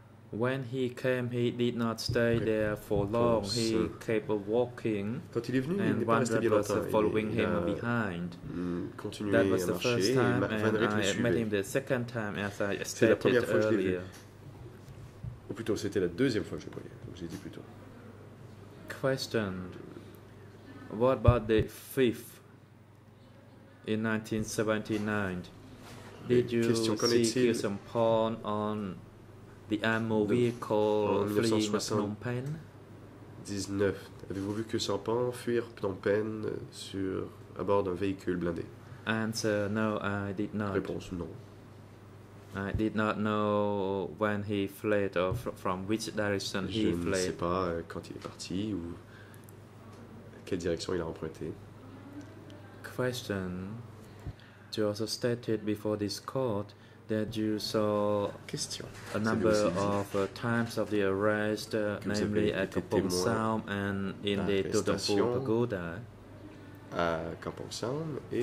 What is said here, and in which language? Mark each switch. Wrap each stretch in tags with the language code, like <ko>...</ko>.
<en>When he came, he did not stay there for long. He kept walking,</en> <fr>quand il est venu,</fr> <en>and one was following him behind. That was the first time, and I met him the second time, as I stated earlier.</en> <fr>Ou plutôt, c'était la deuxième fois que je le voyais, comme j'ai dit plus tôt.</fr> <en>Question. What about the fifth in 1979? Did you see Kyu Sompon on the ammo vehicle fleeing Phnom Penh? 19.</en> <fr>Avez-vous vu Kyu Sompon fuir Phnom Penh sur à bord d'un véhicule blindé?</fr> <en>Answer: no, I did not.</en> <fr>Réponse: non.</fr> <en>I did not know when he fled or from which direction he fled.</en> <fr>Je ne sais pas quand il est parti ou quelle direction il a emprunté.</fr> <en>Question: you also stated before this court that you saw a number of times of the arrest, namely at Kampong Saum and in the Tutankhamun Pagoda.</en> <fr>À Kampong Saum et</fr>